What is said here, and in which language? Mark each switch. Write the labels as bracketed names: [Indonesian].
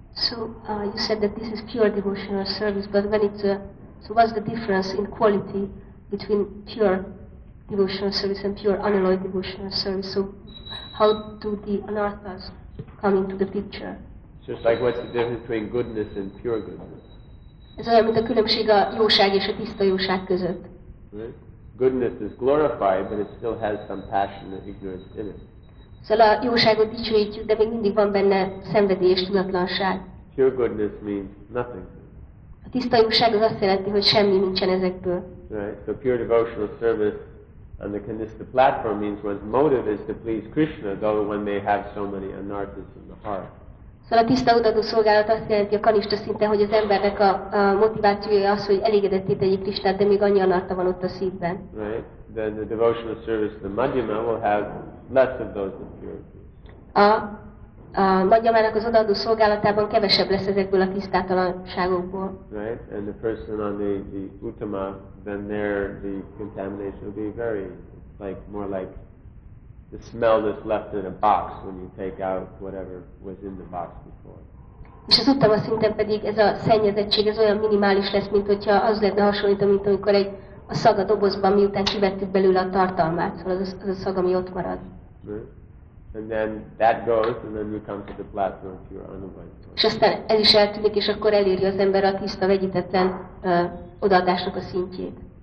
[English] You said that this is pure devotional service, but when it's so what's the difference in quality between pure devotional service and pure unalloyed devotional service? So how do the anarthas come into the picture? It's just like what's the difference between goodness and pure goodness? [Hungarian] Ez olyan, mint a különbség a jóság és a tiszta jóság között. [English] Goodness is glorified, but it still has some passion and ignorance in it. [Hungarian] Szóval a jóságot dicsőítjük, de még mindig van benne szenvedély és tudatlanság. [English] Pure goodness means nothing. [Hungarian] A tiszta jóság az azt jelenti, hogy semmi nincsen ezekből. [English] Right. So pure devotional service on the Kanista platform means one's motive is to please Krishna, though one may have so many anarthas in the heart. [Hungarian] Szóval a tiszta odaadó szolgálat azt jelenti a kanista szinten, hogy az embernek a motivációja az, hogy elégedetté tegyék Krisztát, de még annyi anartha van ott a szívben. [English] Right. Then the devotional service to the Madhyama will have less of those impurities. [Hungarian] A Madhyamának az odaadó szolgálatában kevesebb lesz ezekből a tisztátalanságokból. [English] Right. And the person on the Uttama, then there the contamination will be very, like, more like the smell that's left in a box when you take out whatever was in the box before. [Hungarian] És az Uttama szinten pedig ez a szennyezettség ez olyan minimális lesz, mint hogyha az lenne hasonlítva, mint amikor egy a szag a dobozban, miután kivettük belőle a tartalmát, szóval az a szag, ami ott marad. [English] Right. And then that goes, and then you come to the platform of your unalloyed soul. [Hungarian] És aztán ez is eltűnik, és akkor eléri az ember a tiszta, vegyítetlen odaadásnak a szintjét.